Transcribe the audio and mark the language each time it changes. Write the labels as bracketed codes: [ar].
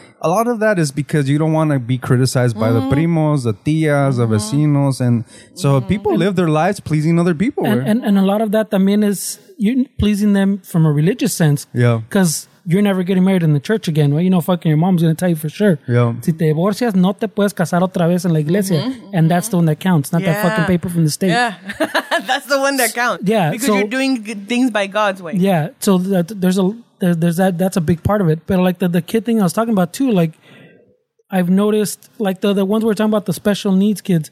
[en] A lot of that is because you don't want to be criticized by the primos, the tías, the vecinos. And so people live their lives pleasing other people. And a lot of that, I mean, is you pleasing them from a religious sense. Yeah. Because you're never getting married in the church again. Well, you know, fucking your mom's going to tell you for sure. Yeah. [es] Si te divorcias, no te puedes casar otra vez en la iglesia. [en] Mm-hmm. And that's the one that counts, not that fucking paper from the state. Yeah. That's the one that counts. Yeah. Because so, you're doing things by God's way. Yeah. So that's a big part of it. But like the kid thing I was talking about too, like I've noticed, like the ones we're talking about, the special needs kids.